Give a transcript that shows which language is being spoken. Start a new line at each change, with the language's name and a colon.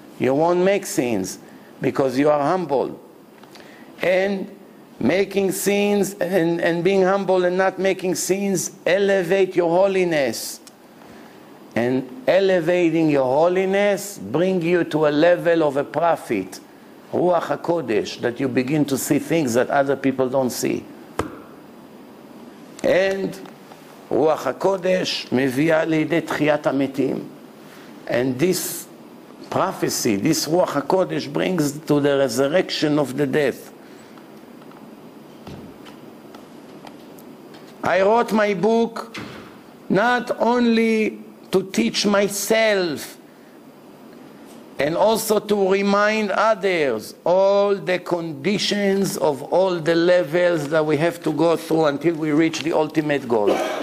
English: You won't make sins because you are humble. And making sins and being humble and not making sins elevate your holiness. And elevating your holiness bring you to a level of a prophet, Ruach HaKodesh, that you begin to see things that other people don't see.
Hebrew: And Ruach HaKodesh מביאה לידי תחיית המתים.
English: And this prophecy, this Ruach HaKodesh brings to the resurrection of the death. I wrote my book not only to teach myself and also to remind others all the conditions of all the levels that we have to go through until we reach the ultimate goal.